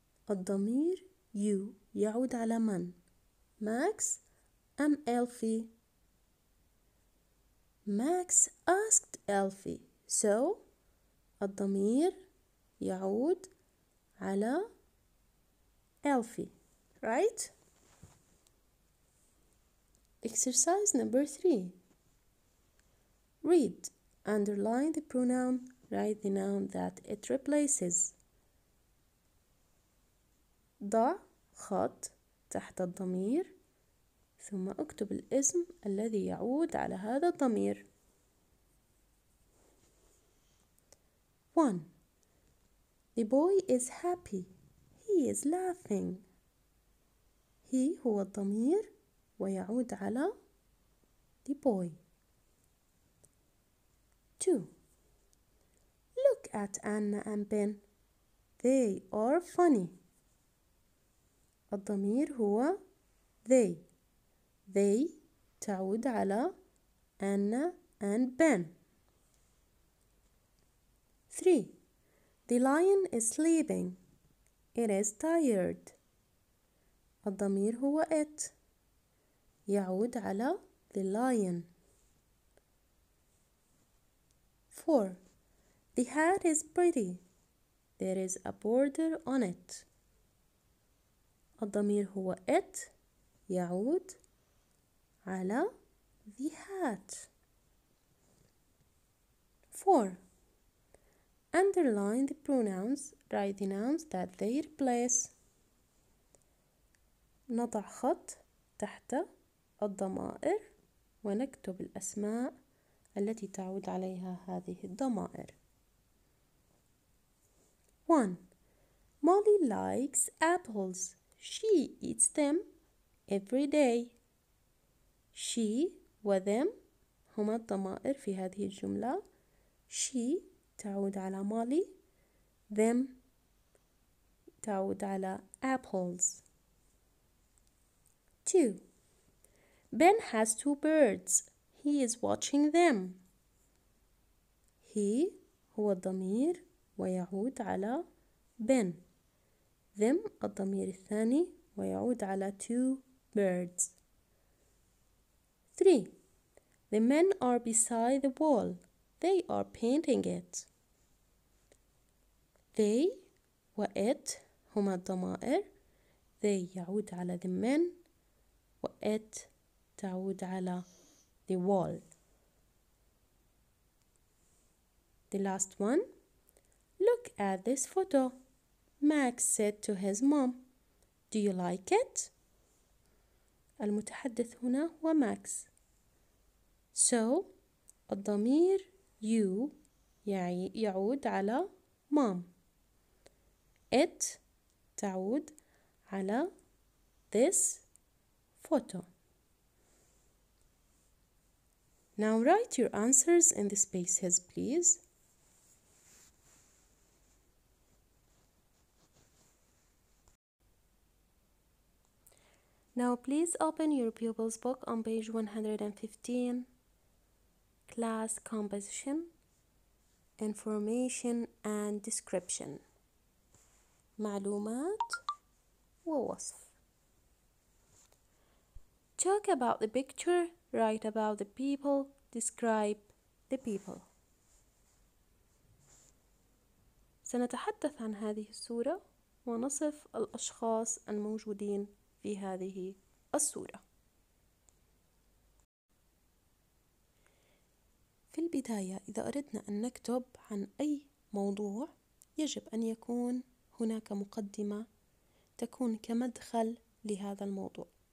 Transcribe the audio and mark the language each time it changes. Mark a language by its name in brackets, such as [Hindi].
[Arabic] الضمير you يعود على من؟ Max أم Elfie؟ [English] Max asked Elfie, so [Arabic] الضمير يعود على Elfie, right? [English] Exercise number 3. Read, underline the pronoun, write the noun that it replaces. [Arabic] ضع خط تحت الضمير ثم اكتب الاسم الذي يعود على هذا الضمير. [English] 1. The boy is happy. He is laughing. [Arabic] He هو الضمير ويعود على the boy. [English] 2. Look at Anna and Ben. They are funny. [Arabic] الضمير هو they. They تعود على Anna and Ben. [English] 3. The lion is sleeping. It is tired. [Arabic] الضمير هو it. يعود على the lion. [English] 4. The hat is pretty. There is a border on it. [Arabic] الضمير هو it. يعود على the hat. [English] 4. Underline the pronouns, write the nouns that they replace. [Arabic] نضع خط تحت الضمائر ونكتب الأسماء التي تعود عليها هذه الضمائر. [English] 1. Molly likes apples. She eats them every day. [Arabic] She و them هما الضمائر في هذه الجملة. She تعود على مالي. Them تعود على apples. [English] 2. Ben has 2 birds. He is watching them. [Arabic] He هو الضمير ويعود على Ben. Them الضمير الثاني ويعود على 2 birds. [English] 3. The men are beside the wall. They are painting it. [Arabic] They و it هما الضمائر. They يعود على the men و it تعود على the wall. [English] The last one. Look at this photo. Max said to his mom, Do you like it? [Arabic] المتحدث هنا هو Max. So, الضمير you يعود على mom. It تعود على this photo. [English] Now write your answers in the spaces, please. Now please open your pupil's book on page 115. Class composition, information and description. [Arabic] معلومات ووصف. [English] Talk about the picture, write about the people, describe the people. [Arabic] سنتحدث عن هذه الصورة ونصف الأشخاص الموجودين في هذه الصورة. في البداية إذا أردنا أن نكتب عن أي موضوع يجب أن يكون هناك مقدمة تكون كمدخل لهذا الموضوع.